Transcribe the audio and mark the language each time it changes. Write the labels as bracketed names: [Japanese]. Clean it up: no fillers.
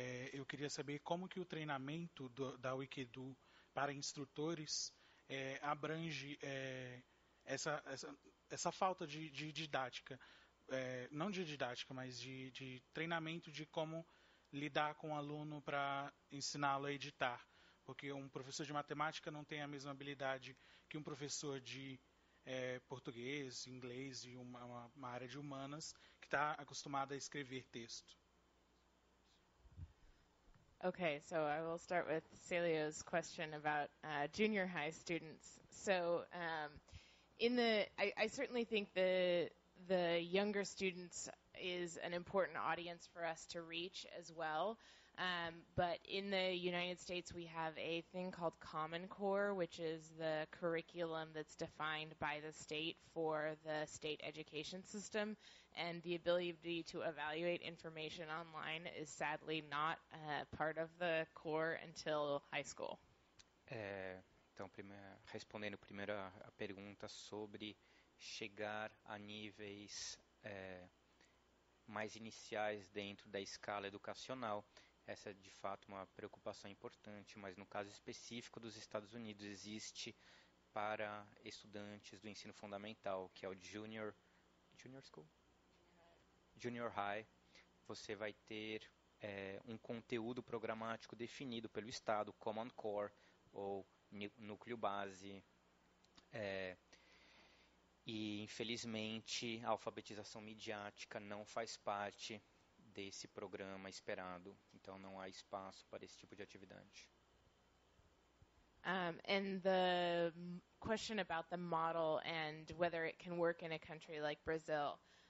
[Portuguese] Eu queria saber como que o treinamento da Wikedu para instrutores abrange essa falta de didática, não de didática, mas de treinamento de como lidar com o aluno para ensiná-lo a editar. Porque um professor de matemática não tem a mesma habilidade que um professor de português, inglês e uma área de humanas que está acostumado a escrever texto. [English] Okay, so I will start with Celio's question about junior high students. So, I certainly think the younger students is an important audience for us to reach as well. But in the United States, we have a thing called Common Core, which is the curriculum that's defined by the state for the state education system. And the ability to evaluate information online is sadly not part of the core until high school. [Portuguese] Então, respondendo primeiro a pergunta sobre chegar a níveis mais iniciais dentro da escala educacional, essa é de fato uma preocupação importante, mas no caso específico dos Estados Unidos existe para estudantes do ensino fundamental, que é o junior school? Junior High, você vai ter um conteúdo programático definido pelo Estado, Common Core, ou núcleo base. E, infelizmente, a alfabetização midiática não faz parte desse programa esperado. Então, não há espaço para esse tipo de atividade. [English] And the question about the model and whether it can work in a country like Brazil.